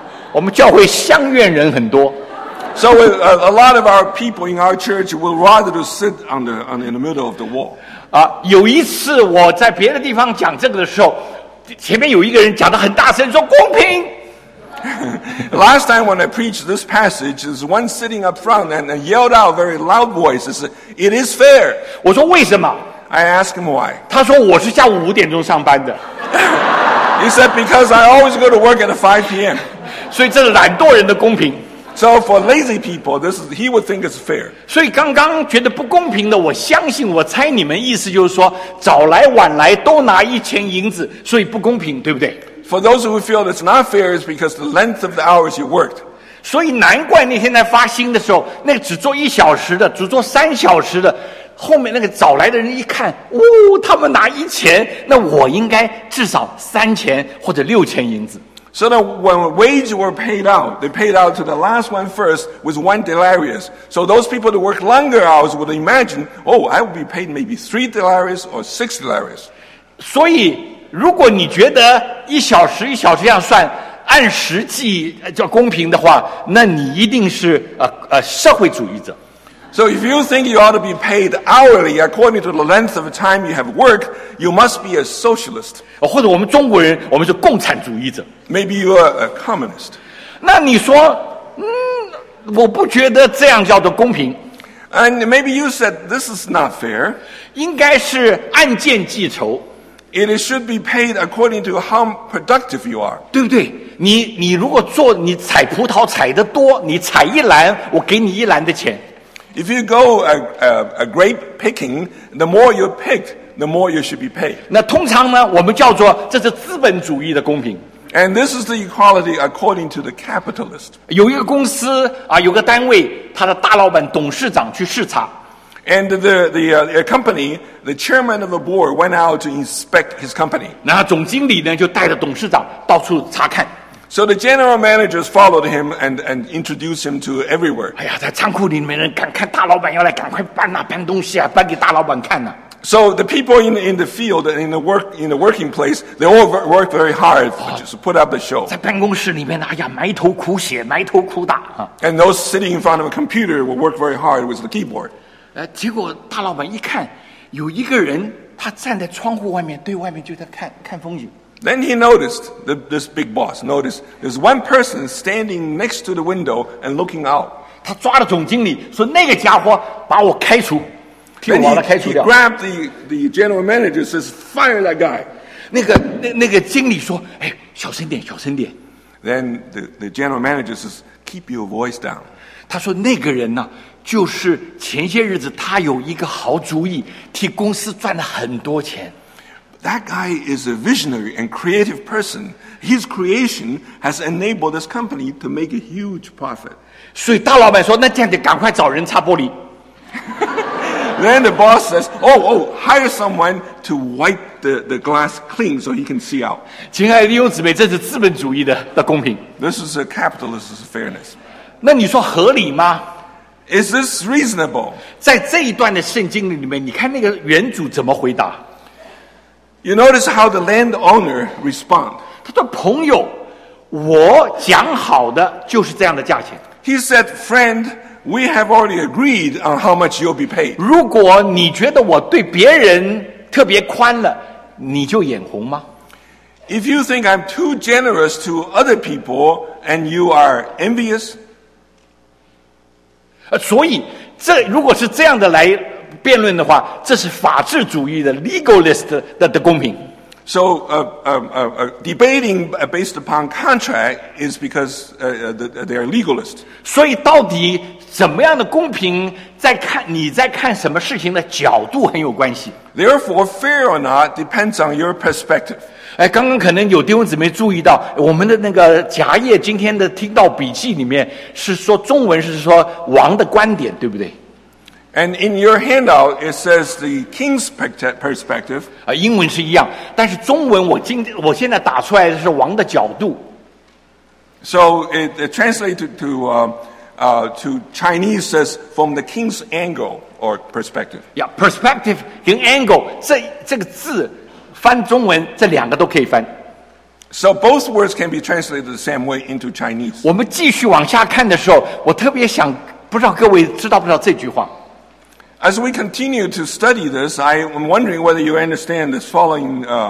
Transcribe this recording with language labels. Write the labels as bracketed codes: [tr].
[zh] 我们教会相怨人很多。 [en] So a lot of our people in our church would rather to sit in the middle of the wall. [zh] 有一次我在别的地方讲这个的时候前面有一个人讲得很大声说公平。 [en] Last time when I preached this passage, there's one sitting up front and yelled out very loud voices, "It is fair." [zh] 我说为什么？ [en] I asked him why. [zh] 他说我是下午五点钟上班的。 [en] He said because I always go to work at 5 p.m. [zh] 所以这是懒惰人的公平。 [en] So for lazy people, this is, he would think it's fair. [zh] 所以刚刚觉得不公平的，我相信我猜你们意思就是说早来晚来都拿一千银子，所以不公平，对不对？ [en] For those who feel it's not fair, it's because the length of the hours you worked. [zh] 所以难怪那天在发薪的时候，那个只做一小时的，只做三小时的，后面那个早来的人一看，哦，他们拿一千，那我应该至少三千或者六千银子。 [en] So that when wage were paid out, they paid out to the last one first with one denarius. So those people that work longer hours would imagine, oh, I would be paid maybe three denarius or six denarius. [zh] 所以如果你觉得一小时一小时这样算按实际叫公平的话，那你一定是社会主义者。 [en] So if you think you ought to be paid hourly according to the length of time you have worked, you must be a socialist. [zh] 或者我们中国人，我们是共产主义者。 [en] Maybe you are a communist. [zh] 那你说，我不觉得这样叫做公平。 [en] And maybe you said this is not fair. [zh] 应该是按件计酬。 [en] It should be paid according to how productive you are. [zh] 对不对？你如果做，你采葡萄采得多，你采一篮，我给你一篮的钱。 [en] If you go a grape picking, the more you pick, the more you should be paid. [zh] 那通常呢，我们叫做这是资本主义的公平。 [en] And this is the equality according to the capitalist. [zh] 有一个公司啊，有个单位，他的大老板董事长去视察。 [en] And the company, the chairman of the board went out to inspect his company. [zh] 然后总经理呢就带着董事长到处查看。 [en] So the general managers followed him and introduced him to everywhere. [zh] 哎呀，在仓库里面人赶看大老板要来，赶快搬呐、啊，搬东西啊，搬给大老板看呐、啊。 [en] So the people in the field and in the working place, they all worked very hard to put up the show. [zh] 在办公室里面呢，哎呀，埋头苦写，埋头苦打啊。 [en] And those sitting in front of a computer will work very hard with the keyboard. [zh] 结果大老板一看，有一个人他站在窗户外面，对外面就在看看风景。 [en] Then he noticed this big boss noticed there's one person standing next to the window and looking out. [zh] 他抓了总经理说那个家伙把我开除，替我把他开除掉。 [en] He grabbed the general manager says fire that guy. [zh] 那个经理说哎小声点小声点。 [en] Then the general manager says keep your voice down. [zh] 他说那个人呢就是前些日子他有一个好主意，替公司赚了很多钱。 [en] That guy is a visionary and creative person. His creation has enabled this company to make a huge profit. [zh] 所以大老板说，那这样得赶快找人擦玻璃。 [en] Then the boss says, oh, hire someone to wipe the glass clean so he can see out. [zh] 亲爱的弟兄姊妹，这是资本主义的公平。 [en] This is a capitalist's fairness. [zh] 那你说合理吗？ [en] Is this reasonable? [zh] 在这一段的圣经里面，你看那个原主怎么回答？ [en] You notice how the landowner respond. [zh] 他说朋友，我讲好的就是这样的价钱。 [en] He said, friend, we have already agreed on how much you'll be paid. [zh] 如果你觉得我对别人特别宽了，你就眼红吗？ [en] If you think I'm too generous to other people and you are envious. [zh] 所以这如果是这样的来辩论的话，这是法治主义的 legalist 的公平。 [en] So, debating based upon contract is because they are legalist. [zh] 所以到底怎么样的公平，在看你在看什么事情的角度很有关系。 [en] Therefore, fair or not depends on your perspective. [zh] 哎，刚刚可能有弟兄姊妹注意到，我们的那个夹页今天的听到笔记里面是说中文是说王的观点，对不对？ [en] And in your handout, it says the king's perspective. [zh] 英文是一样，但是中文我现在打出来的是王的角度。 [en] So it translated to Chinese says from the king's angle or perspective. [zh] Yeah, perspective 跟 angle 这个字翻中文这两个都可以翻。 [en] So both words can be translated the same way into Chinese. [zh] 我们继续往下看的时候，我特别想不知道各位知道不知道这句话。 [en] As we continue to study this, I am wondering whether you understand this following